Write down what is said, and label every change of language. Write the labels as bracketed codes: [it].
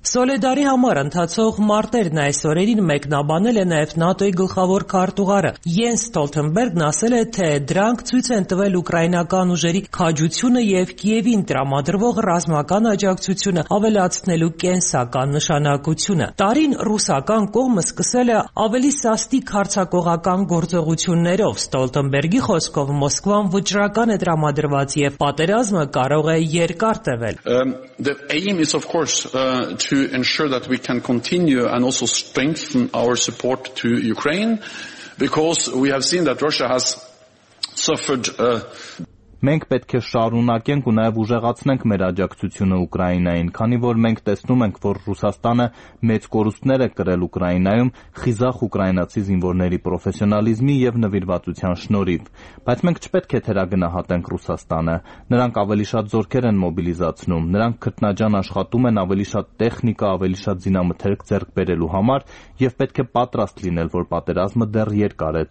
[hy] Սոլեդարի համար ընթացող մարտերն այսօրերին մեկնաբանել է նաև ՆԱՏՕ-ի գլխավոր քարտուղարը Յենս Ստոլթենբերգն, ասել է, թե դրանք ցույց են տվել ուկրաինական ուժերի քաջությունը և Կիևին տրամադրվող ռազմական աջակցությունը ավելացնելու կենսական նշանակությունը։ Տարին ռուսական կողմը սկսել է ավելի սաստիկ հարցակողական գործողություններով։ Ստոլթենբերգի խոսքով Մոսկվան վճռական է տրամադրված և պատերազմը կարող է երկար տևել։ [en] The aim is of course to ensure that we can continue and also strengthen our support to Ukraine because we have seen that Russia has suffered [hy] Մենք պետք է շարունակենք ու նաև ուժեղացնենք մեր աջակցությունը Ուկրաինային, քանի որ մենք տեսնում ենք, որ Ռուսաստանը մեծ կորուստներ է կրել Ուկրաինայում խիզախ ուկրաինացի զինվորների պրոֆեսիոնալիզմի և նվիրվածության շնորհիվ, բայց մենք չպետք է թերագնահատենք Ռուսաստանը։ Նրանք ավելի շատ զորքեր են մոբիլիզացնում, նրանք քրտնաջան աշխատում են ավելի շատ տեխնիկա, ավելի շատ զինամթերք ձեռք բերելու համար, և պետք է պատրաստ լինել, որ պատերազմը դեռ երկար է